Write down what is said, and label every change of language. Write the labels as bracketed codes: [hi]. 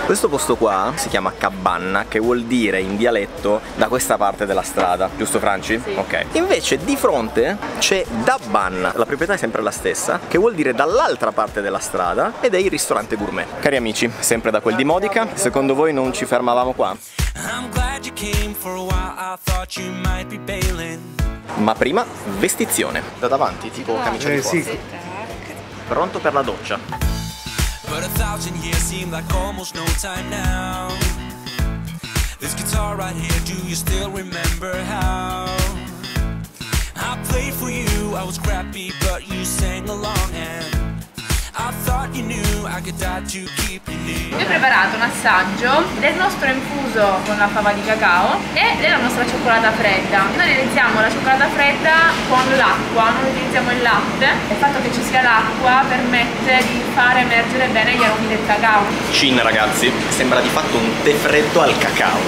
[it] Questo posto qua si chiama cabanna, che vuol dire in dialetto da questa parte della strada, giusto Franci? Sì. Ok. Invece di fronte c'è dabanna, la proprietà è sempre la stessa, che vuol dire dall'altra parte della strada, ed è il ristorante gourmet. Cari amici, sempre da quel di Modica, secondo voi non ci fermavamo qua? [en] I'm glad you came for a while, I thought you might be bailing. [it] Ma prima, vestizione. Da davanti, tipo camicia di forza. Sì. Pronto per la doccia. [en] But a thousand years seem like almost no time now. This guitar right here, do you still remember how? I played for you, I was crappy, but you sang along and I thought you knew I could die to keep you near. [it] Vi ho preparato un assaggio del nostro infuso con la fava di cacao e della nostra cioccolata fredda. Noi realizziamo la cioccolata fredda con l'acqua, non utilizziamo il latte. Il fatto che ci sia l'acqua permette di far emergere bene gli aromi del cacao. Cin, ragazzi, sembra di fatto un tè freddo al cacao.